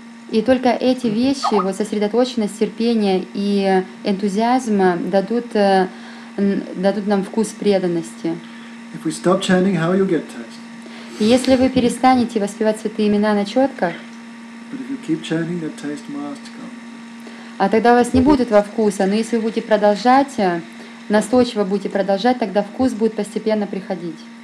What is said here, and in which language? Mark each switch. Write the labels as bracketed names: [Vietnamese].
[Russian] И только эти вещи, вот сосредоточенность, терпение и энтузиазм дадут нам вкус преданности. [English] If we stop chanting, how you get taste? [Russian] И если вы перестанете воспевать святые имена на четках, [English] but if you keep chanting, that taste must come. [Russian] А тогда у вас не будет во вкуса, но если вы будете продолжать, настойчиво будете продолжать, тогда вкус будет постепенно приходить.